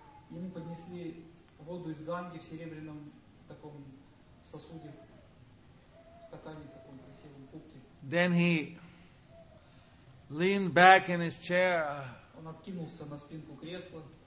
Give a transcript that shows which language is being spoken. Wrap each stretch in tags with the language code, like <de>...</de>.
<ru>Ему поднесли воду из Ганги в серебряном таком сосуде, стакане.</ru> <en>Then he leaned back in his chair.</en> <ru>Он откинулся на спинку кресла.</ru>